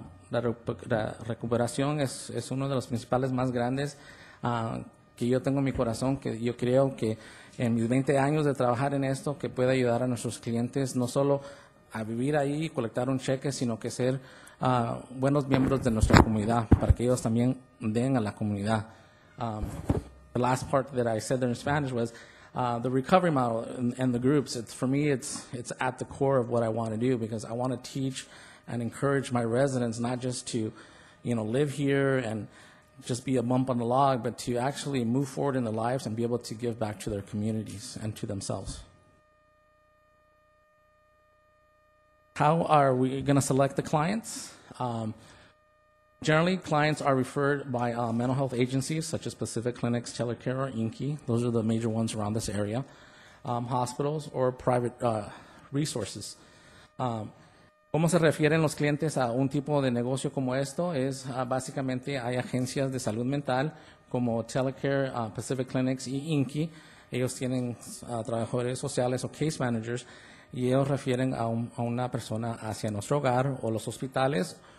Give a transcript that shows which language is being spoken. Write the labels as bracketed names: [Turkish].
[Spanish] La recuperación es uno de los principales más grandes que yo tengo en mi corazón, que yo creo que en mis 20 años de trabajar en esto, que pueda ayudar a nuestros clientes no solo a vivir ahí y colectar un cheque, sino que ser buenos miembros de nuestra comunidad, para que ellos también den a la comunidad. [English] The last part that I said there in Spanish was the recovery model and the groups. For me, it's at the core of what I want to do, because I want to teach and encourage my residents not just to, you know, live here and just be a bump on the log, but to actually move forward in their lives and be able to give back to their communities and to themselves. How are we going to select the clients? Generally, clients are referred by mental health agencies such as Pacific Clinics, Telecare, or INCI. Those are the major ones around this area. Hospitals or private resources. [Spanish] ¿Cómo se refieren los clientes a un tipo de negocio como esto? Es básicamente hay agencias de salud mental como Telecare, Pacific Clinics y INCI. Ellos tienen trabajadores sociales o case managers y ellos refieren a una persona hacia nuestro hogar o los hospitales.